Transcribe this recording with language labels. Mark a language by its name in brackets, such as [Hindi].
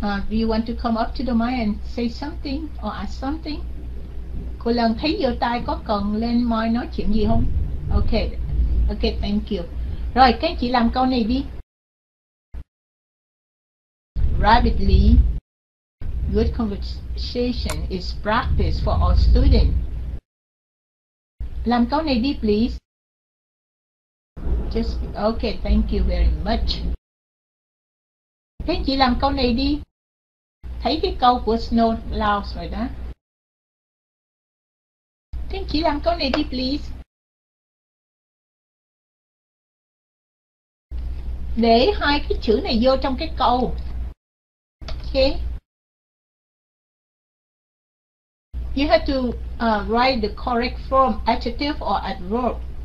[English] Do you want to come up to the mic and say something or ask something? [Vietnamese] Cô lần thấy giơ tay có cần lên mic nói chuyện gì không? [English] Okay, thank you. [Vietnamese] Rồi các anh chị làm câu này đi. [English] Rapidly, good conversation is practice for all students. [Vietnamese] Làm câu này đi [English] please. Just okay, thank you very much. [Vietnamese] Thế chị làm câu này đi. Thấy cái câu của Snow Laos rồi đó. Thế chị làm câu này đi please. Để hai cái chữ này vô trong cái câu. [English] Ok. You have to write the correct form, adjective or adverb.